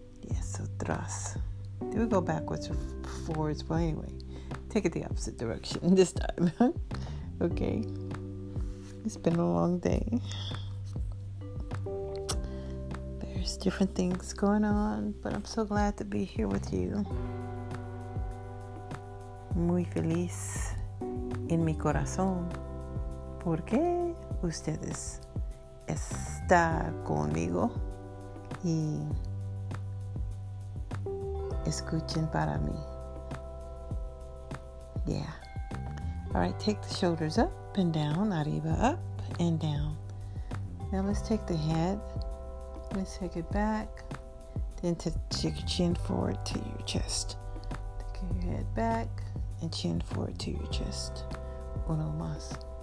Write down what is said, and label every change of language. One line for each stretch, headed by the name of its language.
English: Yes, atrás. Do we go backwards or forwards? Well, anyway, take it the opposite direction this time. Okay. It's been a long day. There's different things going on, but I'm so glad to be here with you.
Spanish: Muy feliz en mi corazón porque ustedes están conmigo y escuchen para mí.
English: Yeah. All right, take the shoulders up and down, arriba, up and down. Now let's take the head. Let's take it back. Then take your chin forward to your chest. Take your head back and chin forward to your chest.
Spanish: Uno más.